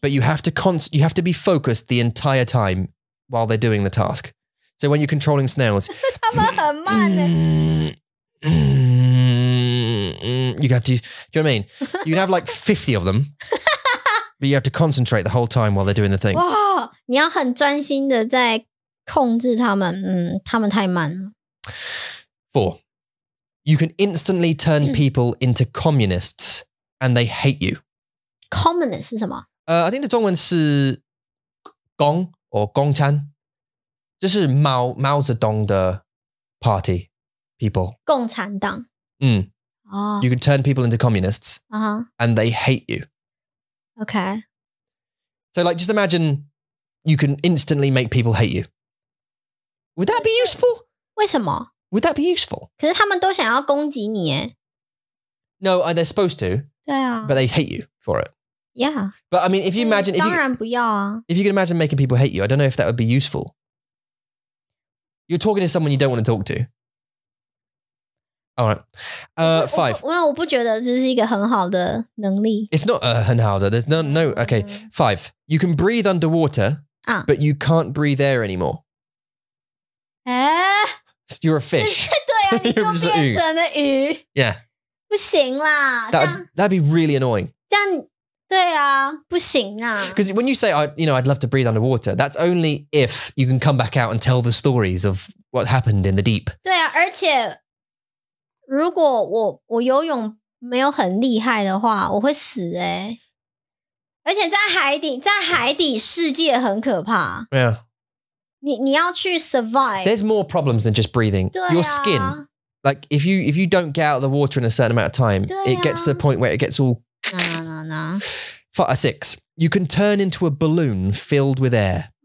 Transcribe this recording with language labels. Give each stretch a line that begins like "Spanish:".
English: But you have to you have to be focused the entire time while they're doing the task. So when you're controlling snails,
Chinese: 他们很慢欸。
English: You have to. Do you know what I mean? You'd have like 50 of them, but you have to concentrate the whole time while they're doing the thing.
Chinese: 哇，你要很专心的在控制他们。他们太慢了。
English: Four. You can instantly turn people into communists and they hate you.
Chinese: Communist 是什么？
English: I think the
Chinese: 中文是
English: Gong or Gong Chan.
Chinese: 就是 Mao Zedong 的
English: party people.
Chinese: 共产党。嗯。哦。
English: You can turn people into communists、 uh-huh. and they hate you. Okay. So like, just imagine you can instantly make people hate you. Would that be useful?
Chinese: 为什么？
English: Would that be useful?
Chinese: 可是他们都想要攻击你耶。
English: No, they're supposed to.
Chinese: 对啊。
English: But they hate you for it. Yeah. But I mean, if you imagine...
Chinese: 当然不要啊。
English: If you can imagine making people hate you, I don't know if that would be useful. You're talking to someone you don't want to talk to. All right. Five.
Chinese: 我不觉得这是一个很好的能力。
English: It's not
Chinese: 很好的。
English: There's no... Okay, five. You can breathe underwater,、but you can't breathe air anymore. You're a fish.
Chinese: 对啊，你就变成了鱼。
English: Yeah.
Chinese: 不行啦。
English: That'd be really annoying.
Chinese: 这样，对啊，不行啊。
English: Because when you say, I'd love to breathe underwater, that's only if you can come back out and tell the stories of what happened in the deep.
Chinese: 对啊，而且如果我游泳没有很厉害的话，我会死欸。而且在海底世界很可怕。
English: Yeah.
Chinese: 你要去 survive.
English: There's more problems than just breathing.
Chinese: 对啊。
English: Your skin, like if you don't get out of the water in a certain amount of time,
Chinese: 对啊。
English: It gets to the point where it gets all... No. Six, you can turn into a balloon filled with air.